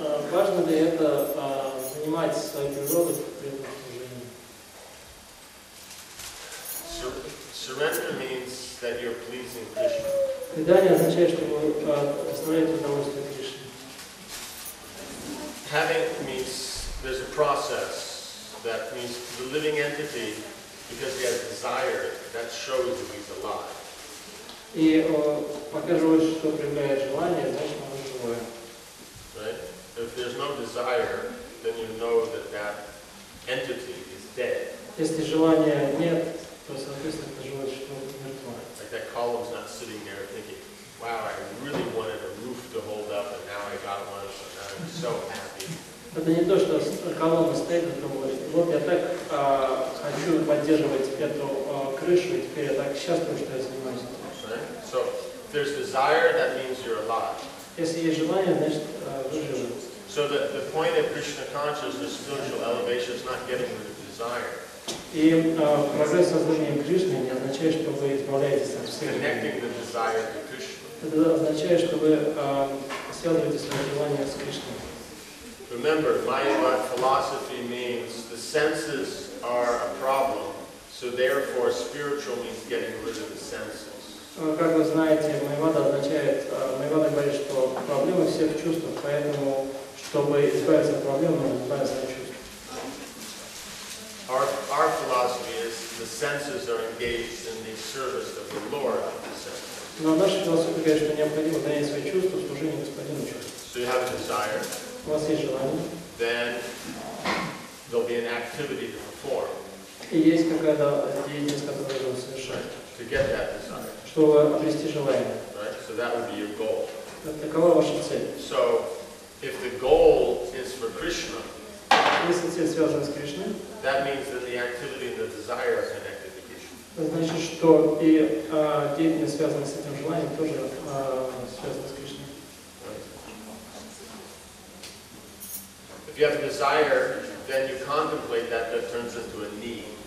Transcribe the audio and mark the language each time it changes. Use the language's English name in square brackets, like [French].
[Russian] Важно ли это занимать свою природу при этом служении? [English] Surrender means that you're pleasing Krishna. [Russian] Предание означает, что вы доставляете удовольствие Кришне. [English] Having means there's a process that means the living entity, because he has desire, that shows that he's alive. [Russian] И показывает, что проявляет желание, значит, он живой. [English] Right? If there's no desire, then you know that that entity is dead. [Russian] Если желания нет, то соответственно живое существо мертво. [English] Like that column's not sitting there thinking, "Wow, I really wanted a roof to hold up, and now I got one, so now I'm so happy." [Russian] Это не то, что колонна стоит и думает, вот я так хочу поддерживать эту крышу, и теперь я так счастлив, что я занимаюсь этим. [English] So if there's desire, that means you're alive. [Russian] Если есть желание, значит, вы живы. [English] So the point of Krishna consciousness, spiritual elevation, is not getting rid of desire. [Russian] И прогресс сознания Кришны не означает, что вы избавляетесь от всех. [English] Connecting the desire to Krishna. [Russian] Это означает, что вы связываете свое желание с Кришной. [English] Remember, Майапуре philosophy means the senses are a problem, so therefore spiritual means getting rid of the senses. [Russian] Как вы знаете, майвада означает, майвада говорит, что проблемы все в чувствах, поэтому, чтобы избавиться от проблем, нужно избавиться от чувств. [English] Our philosophy is the senses are engaged in the service of the Lord of the senses. [Russian] Но наша философия говорит, что необходимо занять свои чувства в служении Господину чувств. [English] So you have a desire. [Russian] У вас есть желание. [English] Then there'll be an activity to perform. [Russian] И есть какая-то деятельность, которую нужно совершать. [English] To get that desire. [Russian] Чтобы обрести желание. [English] Right? So that would be your goal. [Russian] Такова ваша цель. [English] So, if the goal is for Krishna, [Russian] если цель связана с Кришной, [English] that means that the activity and the desire are connected to Krishna. [Russian] Значит, что и деятельность, связанная с этим желанием, тоже связана с Кришной. [English] Right. If you have a desire, then you contemplate that, that turns into a need.